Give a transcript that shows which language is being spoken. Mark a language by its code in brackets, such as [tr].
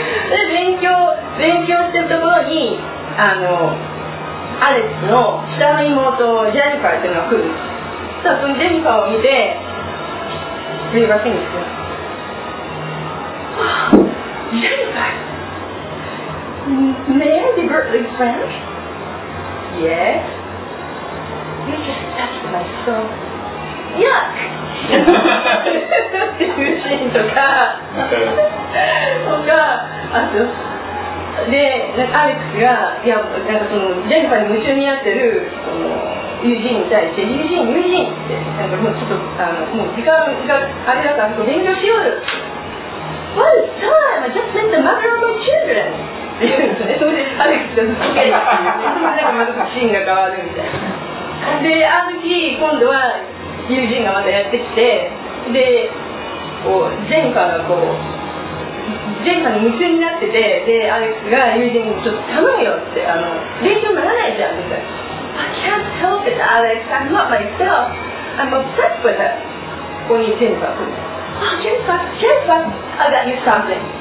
[ja] で、勉強してるところに、あの、アレックスの下の妹、ジェニファーっていうのが来る。そのジェニファーを見て、リーバー・フェニックス。ジェニファー。 [en] May I be Bertley's friend? Yes. You just touched my soul. Yuck! [ja] っていうシーンとか、とか、あと、で、アレックスが、いや、なんかその、ジェニファーに夢中になってる、その、友人に対して、友人って、なんかもうちょっと、あの、もう時間があれだから、こう勉強しようよ。 [en] What is time? I just met the mother of my children. [ja] それでアレックスがすっかりなんかまたシーンが変わるみたいな。で、ある日今度は友人がまたやってきて、で、こうジェンファーがこうジェンファーに夢中になってて、で、アレックスが友人にちょっと頼むよって、あの勉強ならないじゃんみたいな。 [en] I can't help it, Alex. I'm not myself. I'm obsessed with her. [ja] ここにジェンファー来る。 [en] Oh, ジェンファー I got you something.